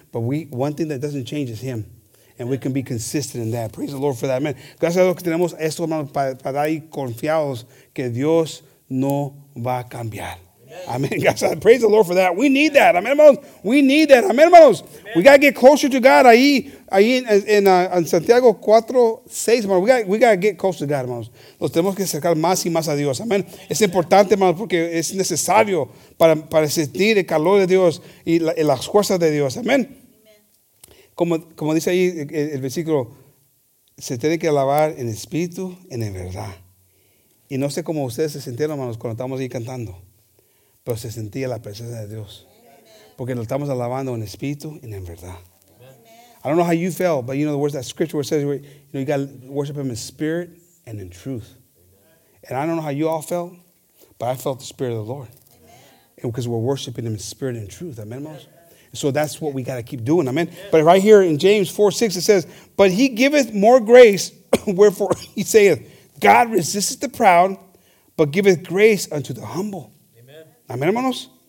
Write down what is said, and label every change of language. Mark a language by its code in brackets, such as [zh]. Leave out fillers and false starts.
[en] But one thing that doesn't change is Him. And we can be consistent in that. Praise the Lord for that, amen. [es] Gracias a Dios que tenemos esto, hermanos, para ir confiados que Dios no va a cambiar. Amen. [en] Amen. Praise the Lord for that. We need that, amen, hermanos. We need that, amen, hermanos. Amen. We got to get closer to God. [es] Ahí en Santiago 4:6, hermanos. [en] We got to get closer to God, hermanos. [es] Nos tenemos que acercar más y más a Dios, amen. Es importante, hermanos, porque es necesario para sentir el calor de Dios y las fuerzas de Dios, amen. Como dice ahí el versículo, se tiene que alabar en espíritu y en verdad. Y no sé cómo ustedes se sintieron, hermanos, cuando estábamos ahí cantando. Pero se sentía la presencia de Dios. Porque lo estamos alabando en espíritu y en verdad. Amen. [en] I don't know how you felt, but you know the words that scripture where it says, you know, you got to worship Him in spirit and in truth. Amen. And I don't know how you all felt, but I felt the spirit of the Lord. Amen. And because we're worshiping Him in spirit and truth. Amen, amen. So that's what we got to keep doing. Amen. But right here in James 4:6, it says, but He giveth more grace, wherefore He saith, God resisteth the proud, but giveth grace unto the humble. [es] Amén, hermanos.